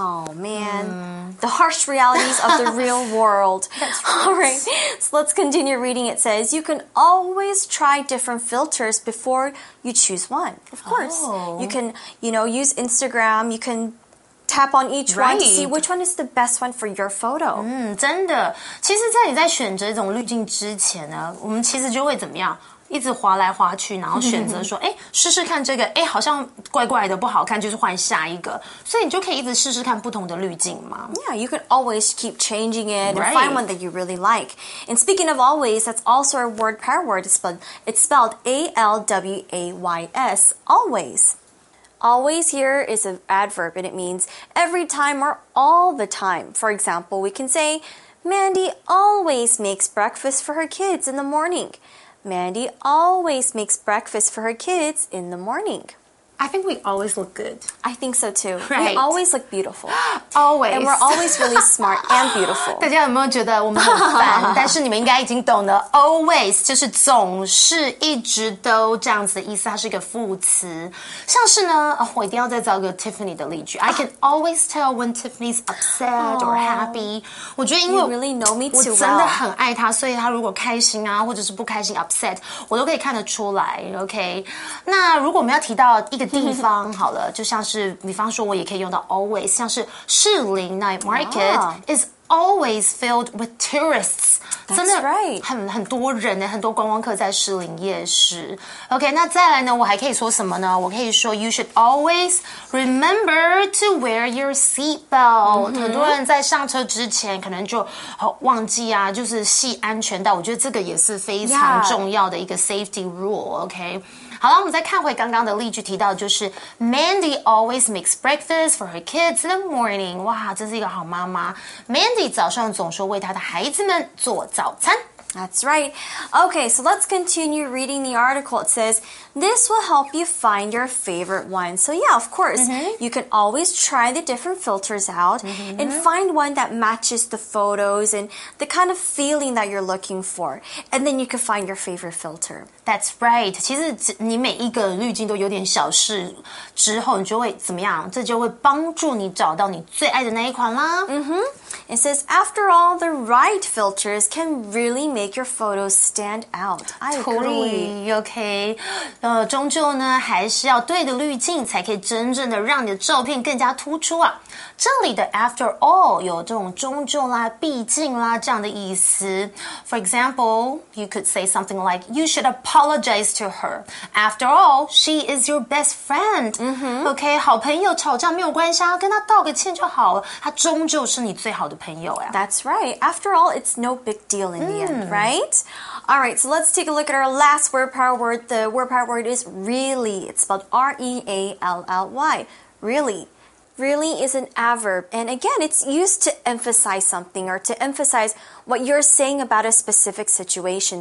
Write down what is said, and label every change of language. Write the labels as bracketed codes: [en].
[en] Oh man, the harsh realities of the real world. All right, so let's continue reading. It says you can always try different filters before you choose one. Of course, you can, you know, use Instagram. You can. tap on each one to see which one is the best one for your photo. [zh] 真的，其实在你在选择一种滤镜之前呢，我们其实就会怎么样？一直滑来滑去，然后选择说，哎，试试看这个，哎，好像怪怪的，不好看，就是换下一个。所以你就可以一直试试看不同的滤镜嘛。 [en] Yeah, you can always keep changing it and find one that you really like. And speaking of always, that's also a word pair word, but it's spelled A-L-W-A-Y-S, always. Always here is an adverb, and it means every time or all the time. For example, we can say, Mandy always makes breakfast for her kids in the morning. Mandy always makes breakfast for her kids in the morning. I think we always look good. I think so too. Right. We always look beautiful. Always. And we're always really smart and beautiful. [zh] 大家有没有觉得我们很烦？但是你们应该已经懂得 always 就是总是一直都这样子的意思，它是一个副词。像是呢，我一定要再找个 Tiffany 的例句。 [en] I can always tell when Tiffany's upset or happy. [zh] 我觉得因为 [en] you really know me too well. [zh] 我真的很爱她，所以她如果开心啊，或者是不开心 upset， 我都可以看得出来。 OK， 那如果我们要提到一个地方好了，就像是比方说，我也可以用到 always， 像是士林 night market、wow. [en] is always filled with tourists， That's [zh] 真的、 [en] right. [zh] 很多人呢，很多观光客在士林夜市。OK， 那再来呢，我还可以说什么呢？我可以说 [en] you should always remember to wear your seat belt、mm-hmm.。 [zh] 很多人在上车之前可能就忘记啊，就是系安全带。我觉得这个也是非常重要的一个 safety rule。OK。好了，我们再看回刚刚的例句，提到就是 [en] Mandy always makes breakfast for her kids in the morning. [zh] 哇，真是一个好妈妈。Mandy 早上总是为她的孩子们做早餐。 [en] That's right. Okay, so let's continue reading the article. It says, this will help you find your favorite one. So yeah, of course,、mm-hmm. you can always try the different filters out、mm-hmm. and find one that matches the photos and the kind of feeling that you're looking for. And then you can find your favorite filter. That's right. [zh] 其实你每一个滤镜都有点小事之后你就会怎么样？这就会帮助你找到你最爱的那一款啦。 Mm-hmm. [en] It says, after all, the right filters can really make your photos stand out. I agree. Okay. [zh] 终究呢还是要对的滤镜才可以真正的让你的照片更加突出啊。这里的 after all 有这种终究啦毕竟啦这样的意思。 [en] For example, you could say something like, you should apologize to her. After all, she is your best friend.、 Mm-hmm. [zh] Okay, 好朋友吵架没有关系啊跟她道个歉就好了。她终究是你最好的朋友啊。 [en] That's right. After all, it's no big deal in the end, right? All right, so let's take a look at our last word power word. The word power word is really. It's spelled R-E-A-L-L-Y. Really. Really is an adverb, and again, it's used to emphasize something or to emphasize what you're saying about a specific situation.